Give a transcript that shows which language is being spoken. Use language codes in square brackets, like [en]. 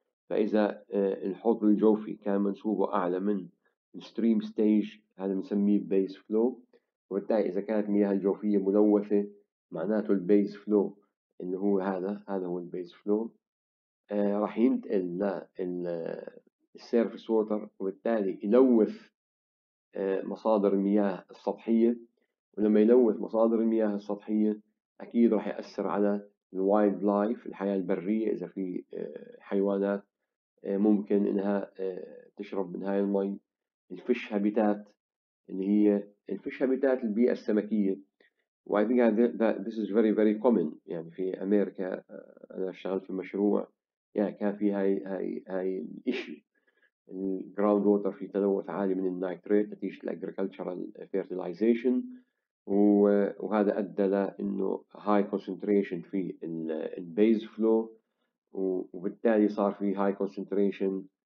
[ar] فإذا الحوض الجوفي كان منسوبه أعلى من stream stage هذا بنسميه base flow، وبالتالي إذا كانت مياه الجوفية ملوثة معناته البيز فلو اللي هو هذا هو البيز فلو راح ينتقل للسيرفيس ووتر، وبالتالي يلوث مصادر المياه السطحية، ولما يلوث مصادر المياه السطحية أكيد راح يأثر على الوايلد لايف الحياة البرية. إذا في حيوانات ممكن إنها تشرب من هاي المي، الفيش هابيتات اللي هي الفيش هابيتات البيئة السمكية. [en] وأي think that this is very very common. [ar] يعني في أمريكا أنا اشتغلت في مشروع يعني كان في هاي الإشي الجراوند ووتر في تلوث عالي من النيتريت نتيجة الأجريكالتشرال فيرتيلايزيشن، وهذا أدى لإنه هاي كونسنتريشن في البيز فلو، وبالتالي صار في هاي كونسنتريشن